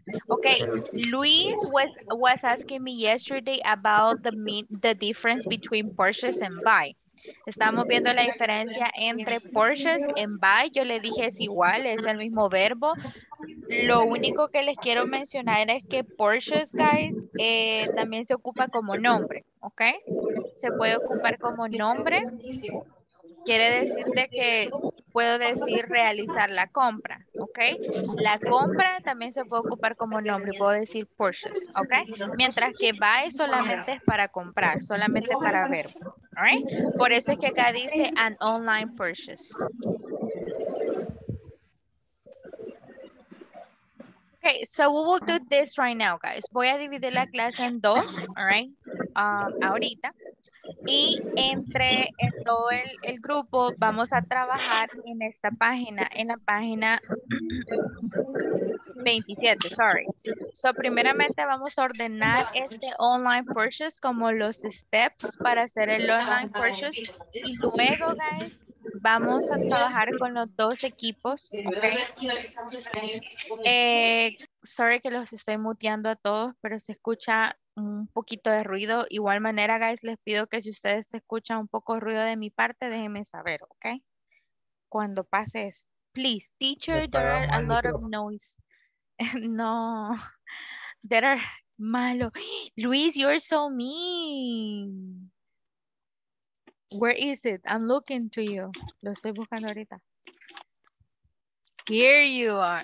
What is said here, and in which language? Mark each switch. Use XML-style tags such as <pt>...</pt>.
<en>Okay, Luis was asking me yesterday about the difference between purchase and buy.</en> <es>Estamos viendo la diferencia entre purchase and buy. Yo le dije es igual, es el mismo verbo. Lo único que les quiero mencionar es que purchase, guys, también se ocupa como nombre, okay? Se puede ocupar como nombre. Quiere decir de que puedo decir realizar la compra, ¿ok? La compra también se puede ocupar como nombre, puedo decir purchase, ¿ok? Mientras que buy solamente es para comprar, solamente para ver, ¿right? Por eso es que acá dice an online purchase.</es> <en>Okay, so we will do this right now, guys.</en> <es>Voy a dividir la clase en dos, ¿right? Ahorita. Y entre todo el grupo vamos a trabajar en esta página, en la página 27, sorry. So primeramente vamos a ordenar este online purchase como los steps para hacer el online purchase. Y luego, guys, vamos a trabajar con los dos equipos. Okay. Sorry que los estoy muteando a todos, pero se escucha un poquito de ruido. Igual manera, guys, les pido que si ustedes escuchan un poco de ruido de mi parte, déjenme saber, ¿ok? Cuando pase eso.</es> <en>Please, teacher, there are a lot of noise. No, there are malo. Luis, you're so mean. Where is it? I'm looking to you.</en> <es>Lo estoy buscando ahorita.</es> <en>Here you are.</en>